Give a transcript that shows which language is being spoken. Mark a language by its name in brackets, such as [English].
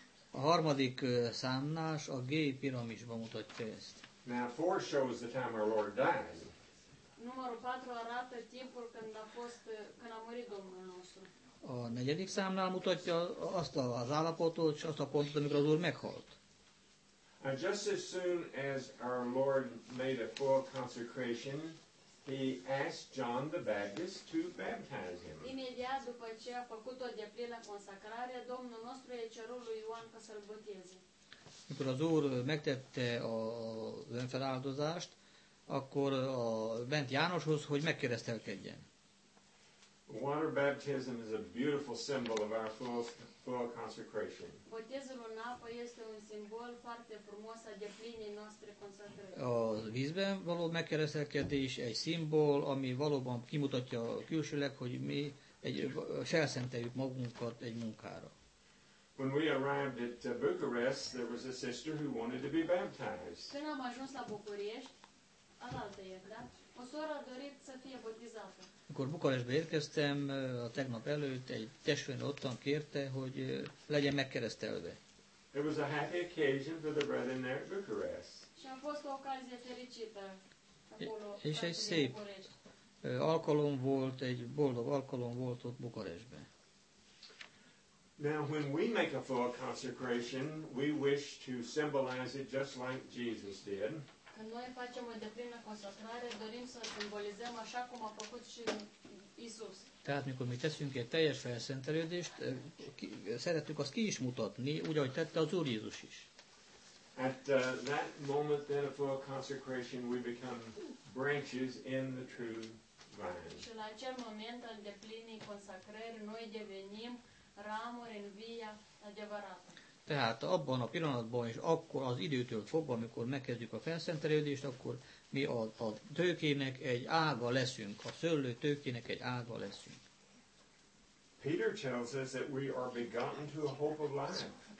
[Hungarian] A harmadik számnás a G piramisba mutatja ezt. [English] Now four shows the time our Lord died. [Romanian] Numărul 4 arată timpul când a fost, când a murit Domnul nostru. [Hungarian] A negyedik számnál mutatja azt az állapotot, és azt a pontot, amikor az Úr meghalt. [English] And just as soon as our Lord made a full consecration, he asked John the Baptist to baptize him. [Romanian] Imediat după ce a făcut o deplină consacrare, Domnul nostru i-a cerut lui Ioan ca să-l boteze. [Hungarian] Amikor az Úr megtette az önfeláldozást, akkor a Bent Jánoshoz, hogy megkeresztelkedjen. [English] Water baptism is a beautiful symbol of our full consecration. [Romanian] Botezul în apă este un simbol foarte frumos a deplinii noastre consacrări. [Hungarian] A vízben való megkeresztelkedés egy szimbol, ami valóban kimutatja külsőleg, hogy mi elszenteljük magunkat egy munkára. [English] When we arrived at Bucharest, there was a sister who wanted to be baptized. [Romanian] Când am ajuns la București, alaltă, da? O soră a dorit să fie botezată. [Hungarian] Amikor Bukarestbe érkeztem, a tegnap előtt egy testvére ottan kérte, hogy legyen megkeresztelve. [English] It was a happy occasion for the brethren there at Bucharest. [Romanian] Și a fost o ocazie fericită acolo. [Hungarian] És egy szép alkalom volt, egy boldog alkalom volt ott Bukarestben. [English] Now when we make a full consecration, we wish to symbolize it just like Jesus did. [Romanian] Când noi facem o deplină consacrare, dorim să simbolizăm așa cum a făcut și Isus. [Hungarian] Tehát, mikor mi teszünk egy teljes felszentelődést, szeretjük azt ki is mutatni, úgy, ahogy tette az Úr Jézus is. [English] At that moment then a full consecration we become branches in the true vine. [Romanian] Și la acel moment al deplinii consacrării noi devenim ramuri în via adevărată. [Hungarian] Tehát abban a pillanatban és akkor az időtől fogva, amikor megkezdjük a felszentelődést, akkor mi a tőkének egy ága leszünk, a szőlő tőkének egy ága leszünk. [English] Peter tells us that we are begotten to a hope of life.